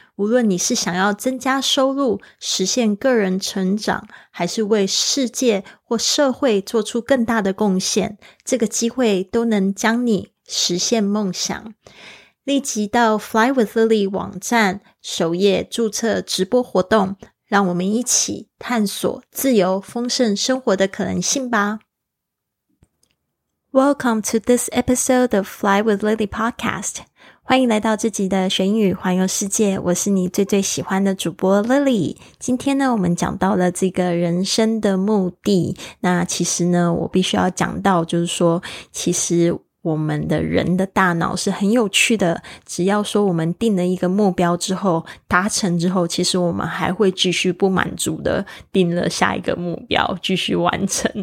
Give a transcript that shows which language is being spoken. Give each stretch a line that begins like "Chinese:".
Chinese: 无论你是想要增加收入，实现个人成长，还是为世界或社会做出更大的贡献，这个机会都能将你实现梦想。立即到 Fly with Lily 网站首页注册直播活动，让我们一起探索自由丰盛生活的可能性吧。
English: Welcome to this episode of Fly with Lily podcast.
Chinese: 欢迎来到自己的学英语环游世界，我是你最最喜欢的主播 Lily。今天呢，我们讲到了这个人生的目的，那其实呢，我必须要讲到就是说，其实我们的人的大脑是很有趣的，只要说我们定了一个目标之后，达成之后，其实我们还会继续不满足的定了下一个目标，继续完成。